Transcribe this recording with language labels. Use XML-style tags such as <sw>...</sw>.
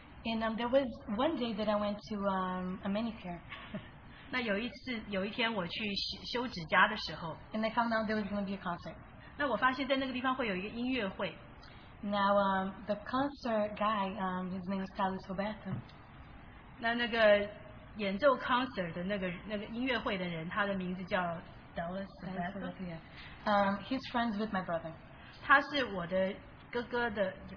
<en>And there was one day that I went to a manicure.</en> <zh>那有一次有一天我去修指甲的时候。</zh> <en>And I found out there was going to be a concert.</en> <zh>那我发现在那个地方会有一个音乐会。</zh> <en>Now the concert guy, his name is Carlos Roberto.</en> <zh>那个演奏 concert 的那个音乐会的人，他的名字叫 Dallas</zh> <en>Roberto. He's friends with my brother.</en> <zh>他是我的哥哥的</zh>